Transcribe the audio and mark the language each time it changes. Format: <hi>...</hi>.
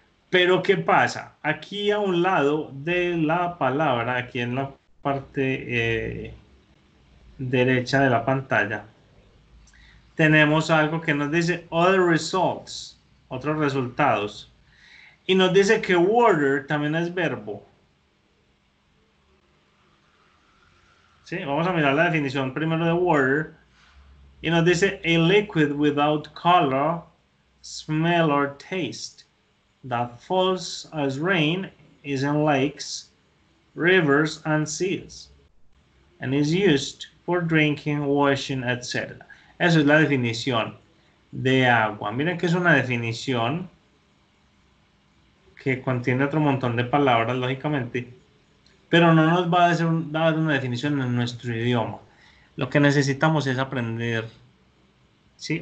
<es>Pero ¿qué pasa? Aquí a un lado de la palabra, aquí en la parte derecha de la pantalla, tenemos algo que nos dice</es> <en>other results,</en> <es>otros resultados. Y nos dice que water también es verbo. ¿Sí? Vamos a mirar la definición primero de water. Y nos dice</es> <en>a liquid without color, smell or taste that falls as rain is in lakes, rivers and seas and is used for drinking, washing, etc.</en> <es>Esa es la definición de agua. Miren que es una definición que contiene otro montón de palabras, lógicamente, pero no nos va a dar una definición en nuestro idioma. Lo que necesitamos es aprender, ¿sí?</es>